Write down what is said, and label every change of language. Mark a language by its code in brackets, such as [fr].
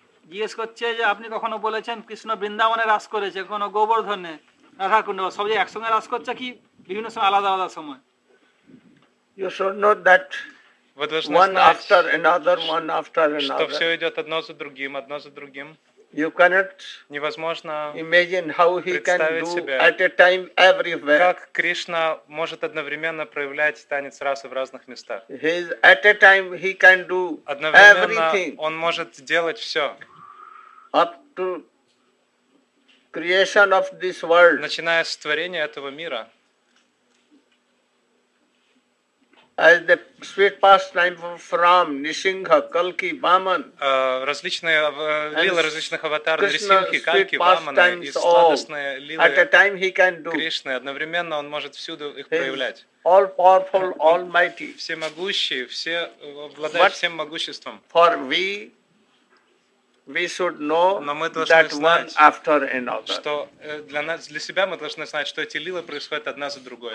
[bn] জিজ্ঞেস করছে যে আপনি কখনো বলেছেন কৃষ্ণ বৃন্দাবনে রাস করেছে, কখনো গোবর্ধনে, রাধাকুণ্ড, সব যে একসঙ্গে রাস করছে কি বিভিন্ন সময় আলাদা আলাদা সময়? [en] You should know that one after another. [ru] Что всё идёт одно за другим, одно за другим. [en] You cannot [ru] невозможно [en] imagine how he can do at a time everywhere. [ru] Как Кришна может одновременно проявлять танец расы в разных местах? [en] He is at a time he can do everything. [ru] Он может делать всё. [en] Up to creation of this world. [ru] Начиная с творения этого мира. [en] As the sweet pastime of Ram, Nrisimha, Kalki, Vaman. [ru] Различные лилы различных аватаров, Нрисимхи, Калки, Ваманы, и сладостные лилы [en] at a time he can do. [ru] Кришны. Одновременно он может всюду их проявлять. [en] All powerful, almighty. [ru] Всемогущий, все обладает всем могуществом. [en] For we should know that one after another. [ru] Что для нас, для себя мы должны знать, что эти лилы происходят одна за другой.